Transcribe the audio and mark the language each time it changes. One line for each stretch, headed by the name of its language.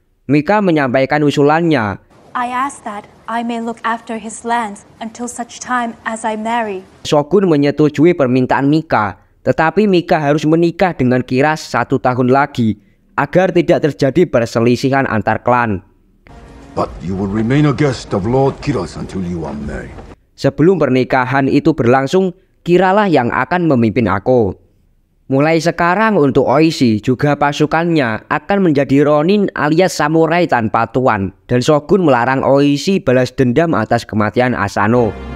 Indonesian: Mika menyampaikan usulannya.
English: I ask that I may look after his lands until such time as I marry.
Indonesian: Shogun menyetujui permintaan Mika, tetapi Mika harus menikah dengan Kira 1 tahun lagi agar tidak terjadi perselisihan antar klan.
English: But you will remain a guest of Lord Kira's until you are married.
Indonesian: Sebelum pernikahan itu berlangsung, Kira lah yang akan memimpin Ako. Mulai sekarang untuk Oishi juga pasukannya akan menjadi Ronin alias samurai tanpa tuan dan Shogun melarang Oishi balas dendam atas kematian Asano.